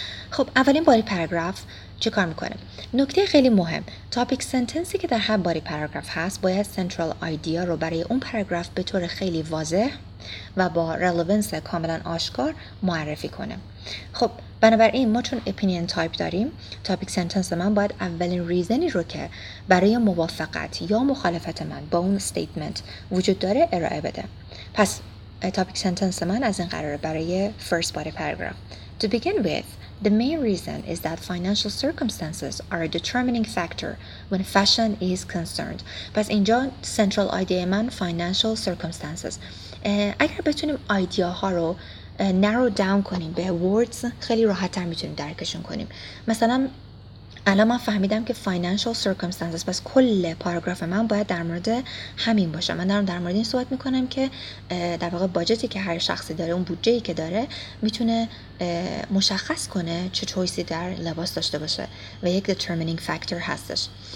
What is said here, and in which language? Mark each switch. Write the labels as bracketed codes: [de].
[fa] خب اولین باری پاراگراف چه کار میکنه؟ نکته خیلی مهم، تاپیک سنتنسی که در هر باری پاراگراف هست باید سنترال آیدیا رو برای اون پاراگراف به طور خیلی واضح و با رلوونس کاملا آشکار معرفی کنه. خب بنابراین ما چون اپینین تایپ داریم، تاپیک سنتنس من باید اولین ریزنی رو که برای موافقت یا مخالفت من با اون استیتمنت وجود داره ارائه بده. پس تاپیک سنتنس من از این قراره برای فرست باری پاراگراف. [en] To begin with, the main reason is that financial circumstances are a determining factor when fashion is concerned. [fa] پس اینجا central idea من financial circumstances. اگر بتونیم ایده ها رو narrow down کنیم به words خیلی راحت تر میتونیم درکشون کنیم. مثلا الان من فهمیدم که financial circumstances، پس کل پاراگراف من باید در مورد همین باشه. من دارم در مورد این صحبت میکنم که در واقع باجتی که هر شخصی داره، اون بودجه‌ای که داره میتونه مشخص کنه چه چویسی در لباس داشته باشه و یک determining factor هستش.